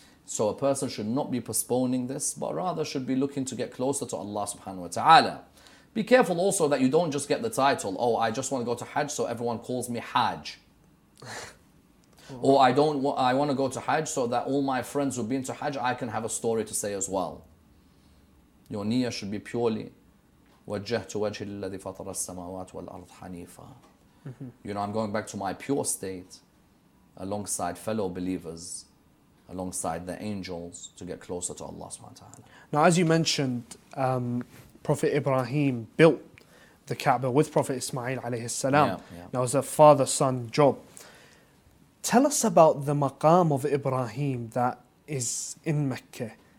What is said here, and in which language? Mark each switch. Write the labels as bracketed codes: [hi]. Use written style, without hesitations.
[en] So a person should not be postponing this, but rather should be looking to get closer to Allah subhanahu wa ta'ala. Be careful also that you don't just get the title, oh, I just want to go to Hajj, so everyone calls me Hajj. Or I want to go to Hajj so that all my friends who've been to Hajj, I can have a story to say as well. Your niyyah should be purely, [ar] وَجَّهْتُ وَجْهِ لِلَّذِي فَطَرَ السَّمَاوَاتِ وَالْأَرْضِ حَنِيفًا. [en] You know, I'm going back to my pure state, alongside fellow believers, alongside the angels, to get closer to Allah subhanahu wa ta'ala. Now, as you mentioned, Prophet Ibrahim built the Kaaba with Prophet Ismail alayhi salam. Now, it was a father-son job. Tell us about the maqam of Ibrahim that is in Mecca.